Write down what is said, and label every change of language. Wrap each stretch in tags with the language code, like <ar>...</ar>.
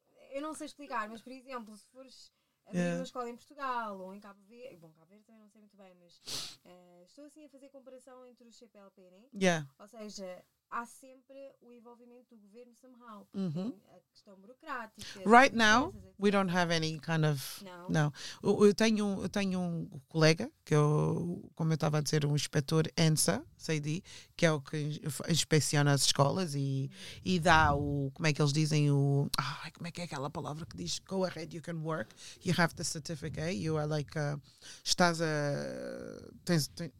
<pt>Eu não sei explicar, mas por exemplo, se fores abrir uma escola em Portugal ou em Cabo Verde, bom, Cabo Verde também não sei muito bem, mas estou assim a fazer comparação entre o CPLP, né?</pt> <en>Yeah.</en> <pt>Ou seja, há sempre o envolvimento do governo somehow, a questão burocrática.</pt> <en>Right now, we don't have any kind of...</en> <pt>Não. Eu tenho um colega, que eu, como eu estava a dizer, um inspetor ENSA, CD, que é o que inspeciona as escolas e dá o, como é que eles dizem, o... Ai, como é que é aquela palavra que diz,</pt> <en>go ahead, you can work, you have the certificate, you are like,</en> <pt>estás a...</pt>